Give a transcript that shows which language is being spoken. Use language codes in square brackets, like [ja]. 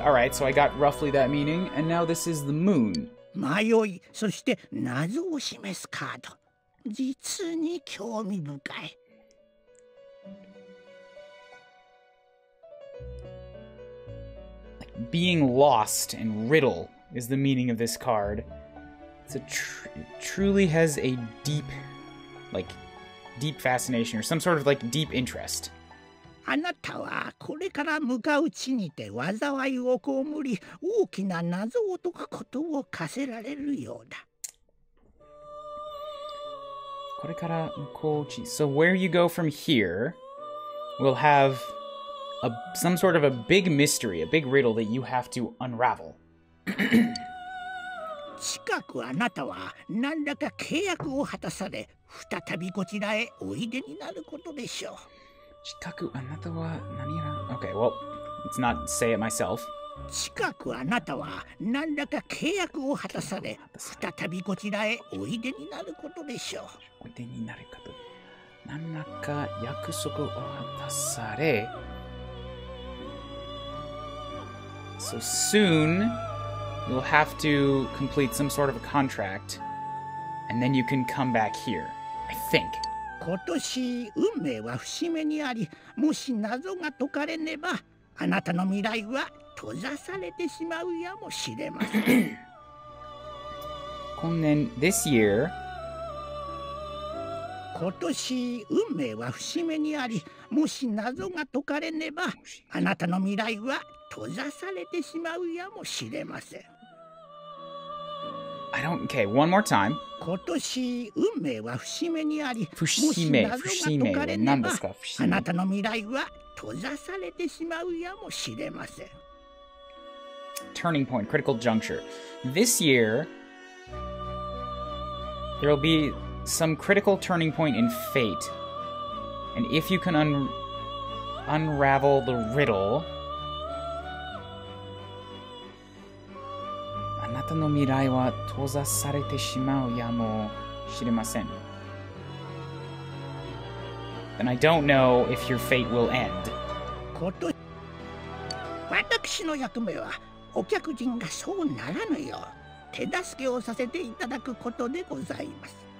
[en] All right, so I got roughly that meaning, and now this is the moon. [ja] 迷い、そして謎を示すカード。実に興味深い。 [en] Being lost and riddle is the meaning of this card. truly has a deep, like, deep fascination or some sort of, like, deep interest. [ja] あなたはこれから向かう地にて災いをこむり大きな謎を解くことを課せられるようだ。これから向こう地。 [en] So where you go from here will have a, some sort of a big mystery, a big riddle that you have to unravel. [ja] 近くあなたは何らか契約を果たされ再びこちらへおいでになることでしょう。近くあなたは何やら… [en] Okay, well, let's not say it myself. [ja] 近くあなたは何らか契約を果たされ、再びこちらへおいでになることでしょう。おいでになること。何らか約束を果たされ。 [en] So soon, you'll have to complete some sort of a contract, and then you can come back here, I think. [ja] 今年運命は節目にあり、もし謎が解かれねば、あなたの未来は閉ざされてしまうやもしれません。今年、 [en] this year。 [ja] 今年運命は節目にあり、もし謎が解かれねば、あなたの未来は閉ざされてしまうやもしれません。 [en] I don't. Okay, one more time. [ja] 今年運命は節目にあり、節目は何ですか？あなたの未来は閉ざされてしまうやもしれません。 [en] Turning point, critical juncture. This year, there will be some critical turning point in fate. And if you can unravel the riddle. [ja] あなたの未来は閉ざされてしまうやもしれません。 [en] And I don't know if your fate will end. [ja] 私の役目はお客人がそうならぬよう手助けをさせていただくことでございます。